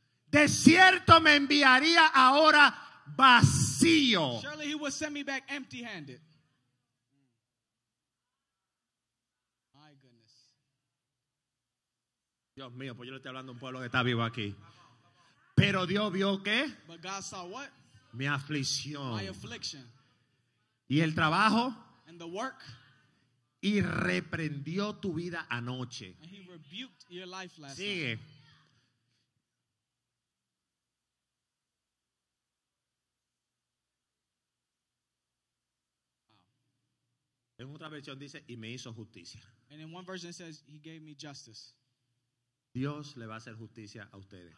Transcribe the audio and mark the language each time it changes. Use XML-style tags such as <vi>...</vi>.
<es>de cierto me enviaría ahora vacío.</es> <en>Surely he would send me back empty-handed. My goodness.</en> <es>Dios mío, pues yo le estoy hablando a un pueblo que está vivo aquí. Pero Dios vio qué?</es> <en>But God saw what?</en> <es>Mi aflicción.</es> <en>My affliction.</en> <es>Y el trabajo.</es> <en>And the work.</en> <es>Y reprendió tu vida anoche.</es> <en>And he rebuked your life last night. Sigue.</en> <es>En otra versión dice, y me hizo justicia.</es> <en>And in one version it says, he gave me justice.</en> <es>Dios le va a hacer justicia a ustedes.</es>